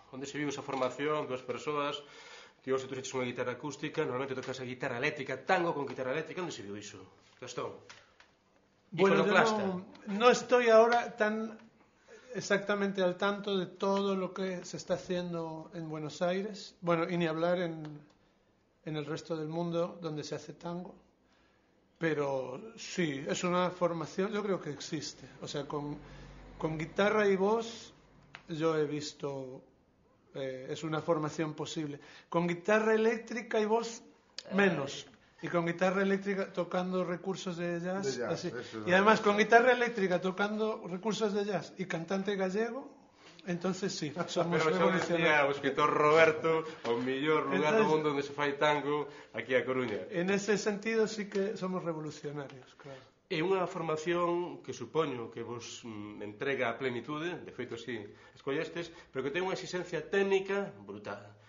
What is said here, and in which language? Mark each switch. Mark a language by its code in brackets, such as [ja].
[gl] Onde se viu esa formación, dúas persoas, tío, se tú eches unha guitarra acústica, normalmente tocas a guitarra eléctrica, tango con guitarra eléctrica, onde se viu iso? Gastón. [es] Bueno, iconoclasta. No estoy ahora tan exactamente al tanto de todo lo que se está haciendo en Buenos Aires. Bueno, y ni hablar en el resto del mundo donde se hace tango. Pero sí, es una formación, yo creo que existe. O sea, con guitarra y voz yo he visto, es una formación posible. Con guitarra eléctrica y voz, menos. Y con guitarra eléctrica tocando recursos de jazz. De jazz así. Y además con guitarra eléctrica tocando recursos de jazz y cantante gallego, entonces sí, somos revolucionarios. Pero yo decía, escritor Roberto, o mejor lugar entonces, del mundo donde [gl] se fai tango, aquí a Coruña. [es] En ese sentido sí que somos revolucionarios, claro. [gl] É unha formación que supoño que vos entrega a plenitude, de feito si escollestes, pero que ten unha exixencia técnica brutal.